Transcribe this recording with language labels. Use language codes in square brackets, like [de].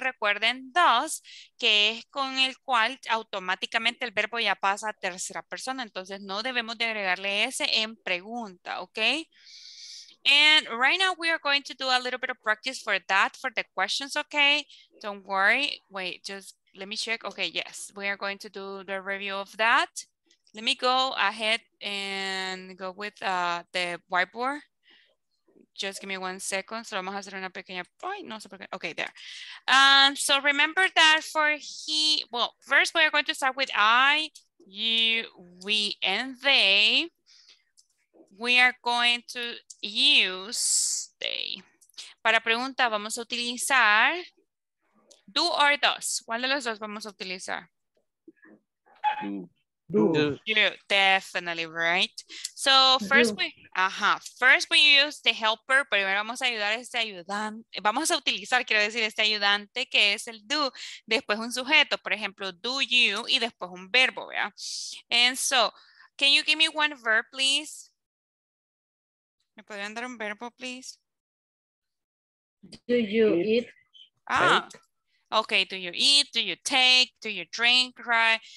[es] Recuerden, does, que es con el cual automáticamente el verbo ya pasa a tercera persona. Entonces no debemos de agregarle ese en pregunta, ¿ok? [en] And right now we are going to do a little bit of practice for that, for the questions, ¿ok? Don't worry. Wait, just let me check. Okay, yes, we are going to do the review of that. Let me go ahead and go with the whiteboard. Just give me 1 second. So [es] vamos a hacer una pequeña [en] point. [es] No sé por qué. [en] Okay, there. So remember that for he, well, first we are going to start with I, you, we, and they. We are going to use they. [es] Para pregunta, vamos a utilizar do or does. ¿Cuál de los dos vamos a utilizar? [en] Do. Definitely, right? So first we, first we use the helper. [es] Primero vamos a ayudar a este ayudante. Vamos a utilizar, quiero decir, este ayudante que es el do. Después un sujeto, por ejemplo, do you, y después un verbo, ¿vea? [en] And so, can you give me one verb, please? [es] ¿Me podrían dar un verbo, please? [en] Do you eat? Ah. Okay, do you eat, do you take, do you drink, right?